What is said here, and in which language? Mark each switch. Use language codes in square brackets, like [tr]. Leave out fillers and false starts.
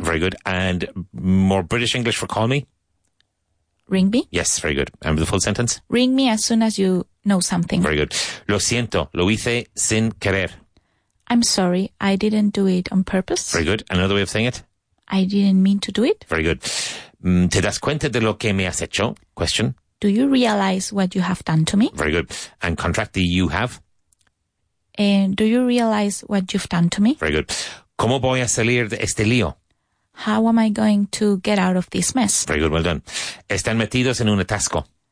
[en] Very good. And more British English for call me? Ring me? Yes, very good. And the full sentence? Ring me as soon as you know something. Very good. [es] Lo siento, lo hice sin querer. [en] I'm sorry, I didn't do it on purpose. Very good. Another way of saying it? I didn't mean to do it. Very good. [es] ¿Te das cuenta de lo que me has hecho? [en] Question. Do you realize what you have done to me? Very good. And contract the you have? Do you realize what you've done to me? Very good. [es] ¿Cómo voy a salir de este lío? [en] How am I going to get out of this mess? Very good, well done. [es] Están metidos en un atasco.